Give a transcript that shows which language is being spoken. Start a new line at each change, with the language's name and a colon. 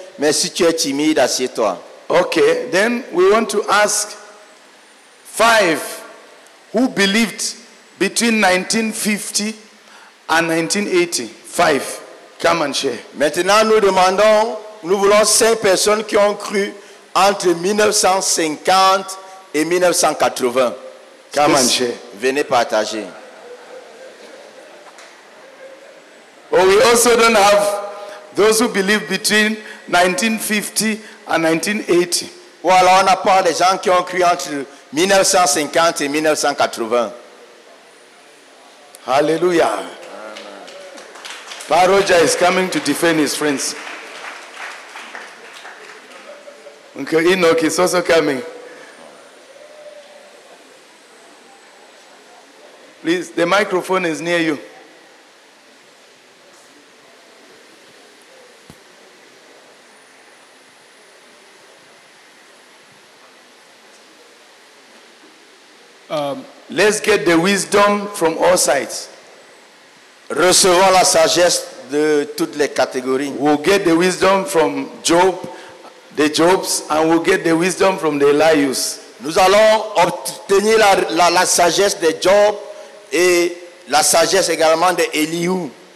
French: Mais si tu es timide, assieds-toi.
English: Okay, then we want to ask 5 who believed between 1950 and 1980. 5. Come and share.
French: Maintenant, nous demandons, nous voulons 5 personnes qui ont cru entre 1950 et 1980.
English: Come and share.
French: Venez partager.
English: Oh, we also don't have those who believe between 1950 and 1980.
French: Voilà, on n'a pas des gens qui ont cru entre 1950 et 1980.
English: Hallelujah. Amen. Pastor Roger is coming to defend his friends. Uncle Enoch is also coming. Please, the microphone is near you. Let's get the wisdom from all sides.
French: Recevons la sagesse de toutes les catégories.
English: We'll get the wisdom from Job, the Jobs, and we'll get the wisdom from the Elihus.
French: Nous allons obtenir la sagesse de Job et la sagesse également de Elihu.